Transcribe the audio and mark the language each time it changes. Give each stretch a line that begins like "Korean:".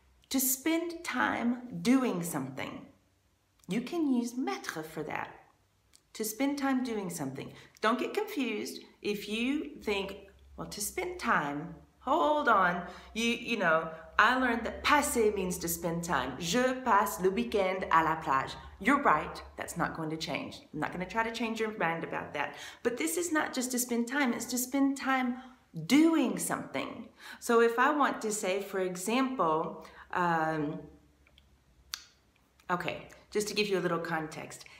English: To spend time doing something. You can use mettre for that. To spend time doing something. Don't get confused if you think, well, to spend time, hold on, you know, I learned that passé means to spend time.
French: Je passe le week-end à la plage.
English: You're right, that's not going to change. I'm not going to try to change your mind about that. But this is not just to spend time, it's to spend time doing something. So if I want to say, for example, okay, just to give you a little context.